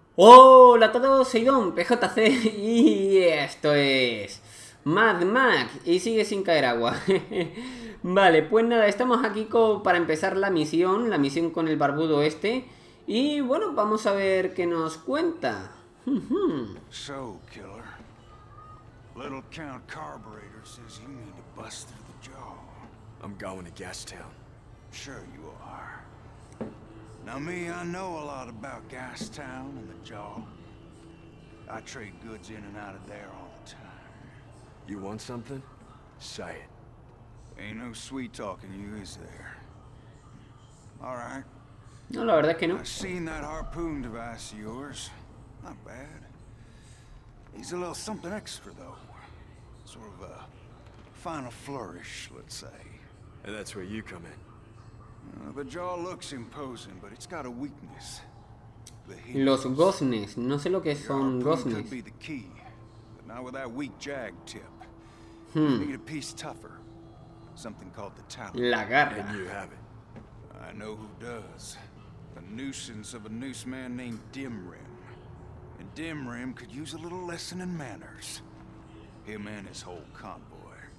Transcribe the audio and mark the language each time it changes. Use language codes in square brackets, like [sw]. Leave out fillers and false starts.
[es] Hola a todos, soy Don PJC y esto es Mad Max y sigue sin caer agua. Vale, pues nada, estamos aquí para empezar la misión con el barbudo este. Y bueno, vamos a ver qué nos cuenta. [en] So, killer. Little Count Carburetor says you need to bust through the jaw. I'm going to Gastown. Sure you are. Now me, I know a lot about Gastown and the Jaw. I trade goods in and out of there all the time. You want something? Say it. Ain't no sweet talking you, is there? All right. [es] No, la verdad es que no. [en] I've seen that harpoon device of yours. Not bad. He's a little something extra, though. Sort of a final flourish, let's say. And that's where you come in. The jaw looks imposing, but it's got a weakness. [es] Los goznes, no sé lo que son goznes. [en] Could be the key, but not with that weak jag tip. Need a piece tougher, something called the talon. [es] La garra. [en] And you have it. I know who does. A nuisance of a noose man named Dimrim. And Dimrim could use a little lesson in manners. Him and his whole convoy.